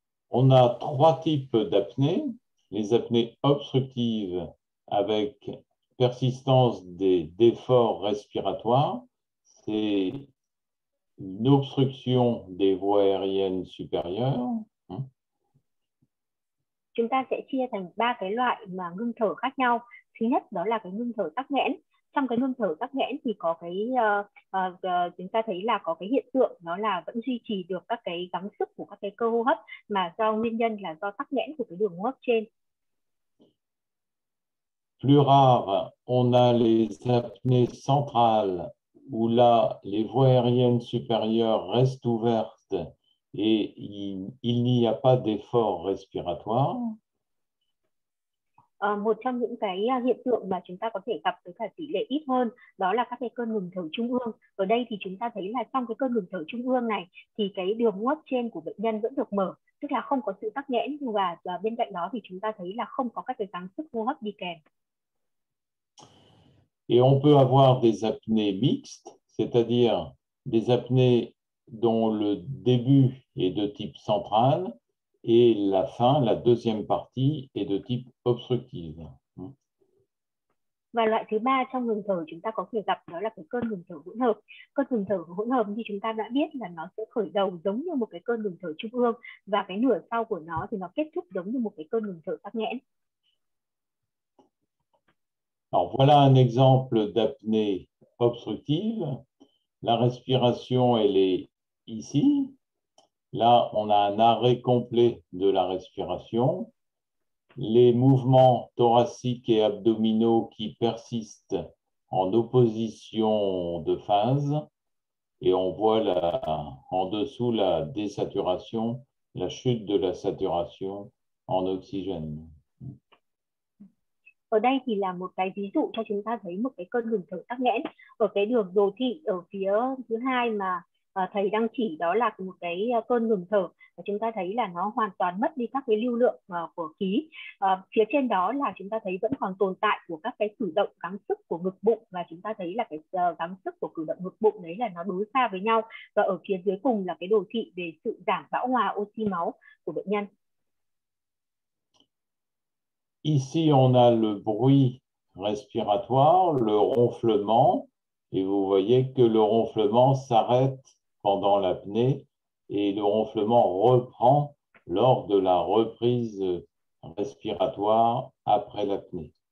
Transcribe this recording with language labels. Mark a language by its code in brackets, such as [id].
[fr] On a trois types d'apnée, les apnées obstructives avec persistance des défaits respiratoires. C'est une obstruction des voies aériennes supérieures. [vi] Chúng ta sẽ chia thành ba cái loại mà ngưng thở khác nhau. Thứ nhất đó là cái ngưng thở tắc nghẽn. Trong cái ngưng thở tắc nghẽn thì có cái chúng ta thấy là có cái hiện tượng đó là vẫn duy trì được các cái gắng sức của các cái cơ hô hấp, mà do nguyên nhân là do tắc nghẽn của cái đường hô hấp trên. [fr] Plus rare, on a les apnées centrales où là les voies aériennes supérieures restent ouvertes et il n'y a pas d'effort respiratoire. [vi] Một trong những cái hiện tượng mà chúng ta có thể gặp với cả tỷ lệ ít hơn đó là các cái cơn ngừng thở trung ương. Ở đây thì chúng ta thấy là trong cái cơn ngừng thở trung ương này thì cái đường hô hấp trên của bệnh nhân vẫn được mở, tức là không có sự tắc nghẽn, và bên cạnh đó thì chúng ta thấy là không có các cái gắng sức hô hấp đi kèm. [fr] Et on peut avoir des apnées mixtes, c'est-à-dire des apnées dont le début est de type central Et la fin, la deuxième partie, est de type obstructive. [vi] Và loại thứ ba trong ngừng thở chúng ta có thể gặp đó là cái cơn ngừng thở hỗn hợp. Cơn ngừng thở hỗn hợp thì chúng ta đã biết là nó sẽ khởi đầu giống như một cái cơn ngừng thở trung ương và cái nửa sau của nó thì nó kết thúc giống như một cái cơn ngừng thở tắc nghẽn. [fr] Alors voilà un exemple d'apnée obstructive. La respiration, elle est ici. Là, on a un arrêt complet de la respiration. Les mouvements thoraciques et abdominaux qui persistent en opposition de phase. Et on voit là, en dessous la désaturation, la chute de la saturation en oxygène. [vi] Ở đây thì là một cái ví dụ cho chúng ta thấy một cái cơn ngừng thở tắc nghẽn ở cái đường đồ thị ở phía thứ hai mà thầy đang chỉ, đó là một cái cơn ngừng thở và chúng ta thấy là nó hoàn toàn mất đi các cái lưu lượng của khí. Phía trên đó là chúng ta thấy vẫn còn tồn tại của các cái cử động gắng sức của ngực bụng, và chúng ta thấy là cái gắng sức của cử động ngực bụng đấy là nó đối xa với nhau, và ở phía dưới cùng là cái đồ thị về sự giảm bão hòa oxy máu của bệnh nhân. [fr] Ici, on a le bruit respiratoire, le ronflement, et vous voyez que le ronflement s'arrête pendant l'apnée et le ronflement reprend lors de la reprise respiratoire après l'apnée.